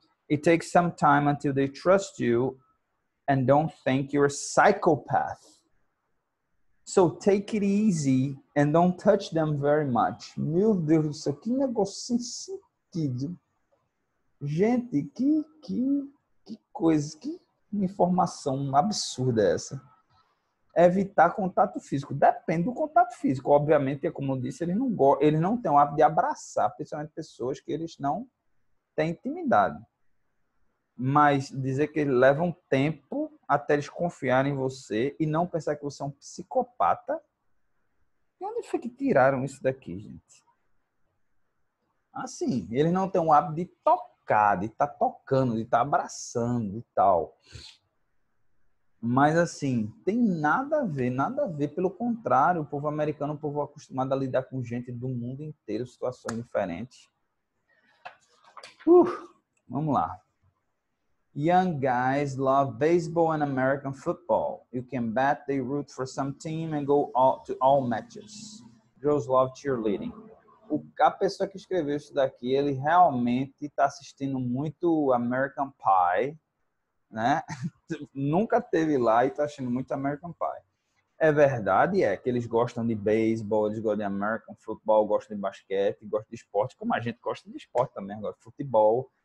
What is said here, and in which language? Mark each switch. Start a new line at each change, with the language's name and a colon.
English: It takes some time until they trust you and don't think you're a psychopath. So take it easy and don't touch them very much.
Portuguese: Meu Deus do céu, que negócio sem sentido. Gente, que coisa, que informação absurda essa. Evitar contato físico. Depende do contato físico. Obviamente, como eu disse, ele não tem o hábito de abraçar, principalmente pessoas que eles não têm intimidade. Mas dizer que ele leva um tempo até eles confiarem em você e não pensar que você é um psicopata. E onde foi que tiraram isso daqui, gente? Assim, ele não tem o hábito de tocar, de estar tocando, de estar abraçando e tal. Mas assim, tem nada a ver, nada a ver. Pelo contrário, o povo americano é um povo acostumado a lidar com gente do mundo inteiro, situações diferentes.
English: Vamos lá. Young guys love baseball and American football. You can bet they root for some team and go all to all matches. Girls love cheerleading.
Portuguese: A pessoa que escreveu isso daqui, ele realmente está assistindo muito American Pie, né? Nunca teve lá e está assistindo muito American Pie. É verdade, é que eles gostam de baseball, eles gostam de American football, gostam de basquete, gostam de esporte, como a gente gosta de esporte também, gosta de futebol.